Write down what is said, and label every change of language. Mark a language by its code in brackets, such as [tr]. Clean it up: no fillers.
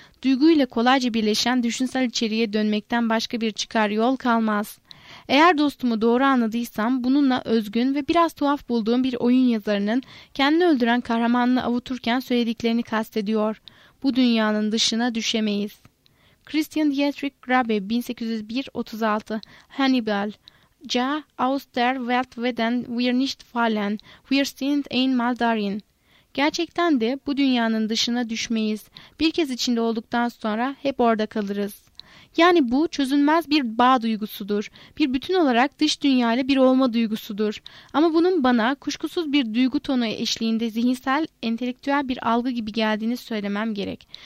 [tr] Duyguyla kolayca birleşen düşünsel içeriğe dönmekten başka bir çıkar yol kalmaz. Eğer dostumu doğru anladıysam bununla özgün ve biraz tuhaf bulduğum bir oyun yazarının kendini öldüren kahramanını avuturken söylediklerini kastediyor. Bu dünyanın dışına düşemeyiz. [de] Christian Dietrich Grabe 1801-36 Hannibal Ja, aus der Welt weden wir nicht fallen, wir sind ein Mal darin. [tr] Gerçekten de bu dünyanın dışına düşmeyiz. Bir kez içinde olduktan sonra hep orada kalırız. Yani bu çözünmez bir bağ duygusudur. Bir bütün olarak dış dünyayla bir olma duygusudur. Ama bunun bana kuşkusuz bir duygu tonu eşliğinde zihinsel, entelektüel bir algı gibi geldiğini söylemem gerek.